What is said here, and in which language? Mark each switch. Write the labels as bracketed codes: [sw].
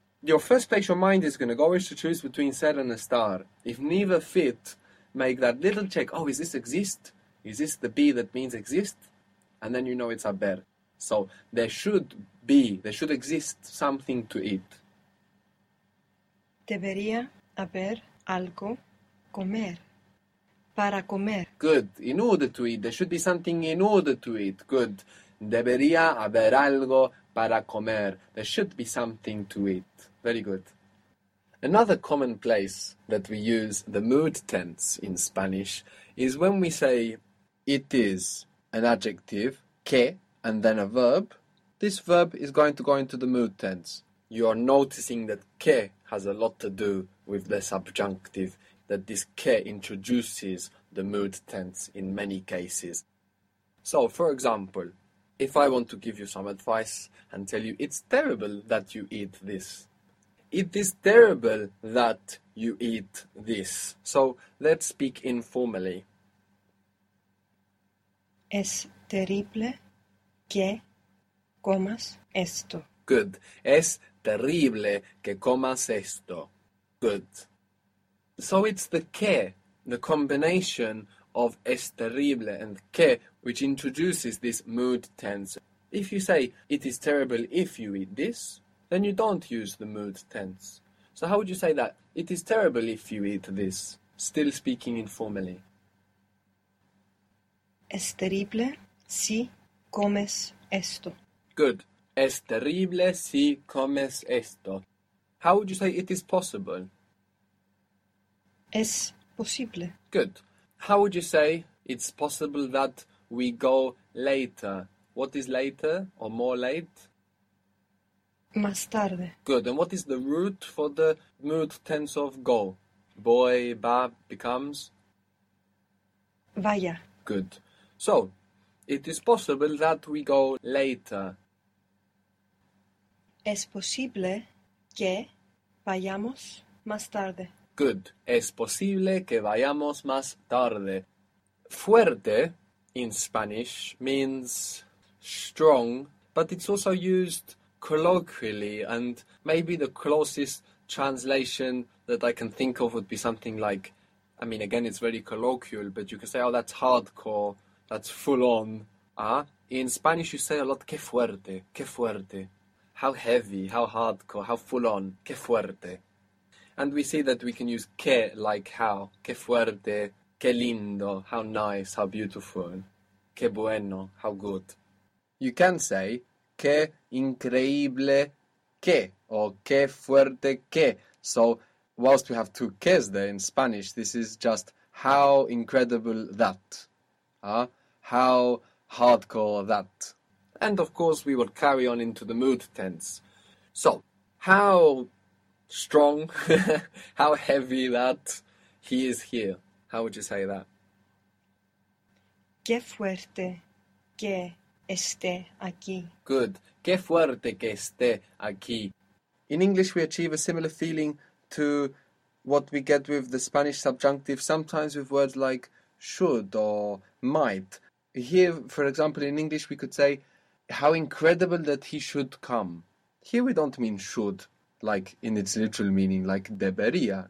[en] Your first place your mind is going to go is to choose between ser and estar. If neither fit, make that little check. Oh, is this exist? Is this the be that means exist? And then you know it's haber. So there should exist something to eat. [es] Debería haber algo comer para comer. [en] Good. In order to eat, there should be something in order to eat. Good. [es] Debería haber algo para comer. [en] There should be something to eat. Very good. Another common place that we use the mood tense in Spanish is when we say it is an adjective, que, and then a verb. This verb is going to go into the mood tense. You're noticing that que has a lot to do with the subjunctive, that this que introduces the mood tense in many cases. So, for example, if I want to give you some advice and tell you it's terrible that you eat this. It is terrible that you eat this. So let's speak informally. [es] Es terrible que comas esto. [en] Good. [es] Es terrible que comas esto. [en] Good. So it's the que, the combination of es terrible and que, which introduces this mood tense. If you say, it is terrible if you eat this, then you don't use the mood tense. So how would you say that? It is terrible if you eat this, still speaking informally. [es] Es terrible si comes esto. [en] Good. [es] Es terrible si comes esto. [en] How would you say it is possible? [es] Es posible. [en] Good. How would you say it's possible that we go later? What is later or more late? [es] Más tarde. [en] Good. And what is the root for the mood tense of go? [es] Voy, va, becomes? Vaya. [en] Good. So, it is possible that we go later. [es] Es posible que vayamos más tarde. [en] Good. [es] Es posible que vayamos más tarde. [en] Fuerte in Spanish means strong, but it's also used colloquially, and maybe the closest translation that I can think of would be something like, I mean, again, it's very colloquial, but you can say, oh, that's hardcore, that's full on. In Spanish, you say a lot, [es] qué fuerte, [en] how heavy, how hardcore, how full on, qué fuerte. And we see that we can use que like how. [es] Que fuerte, que lindo, [en] how nice, how beautiful. [es] Que bueno, [en] how good. You can say [es] que increíble que [en] or [es] que fuerte que. [en] So, whilst we have two ques there in Spanish, this is just how incredible that. How hardcore that. And of course, we will carry on into the mood tense. So, how strong, how heavy that he is here. How would you say that? [es] Qué fuerte que esté aquí. [en] Good. [es] Qué fuerte que esté aquí. [en] In English, we achieve a similar feeling to what we get with the Spanish subjunctive, sometimes with words like should or might. Here, for example, in English, we could say, how incredible that he should come. Here, we don't mean should. Like in its literal meaning, like debería.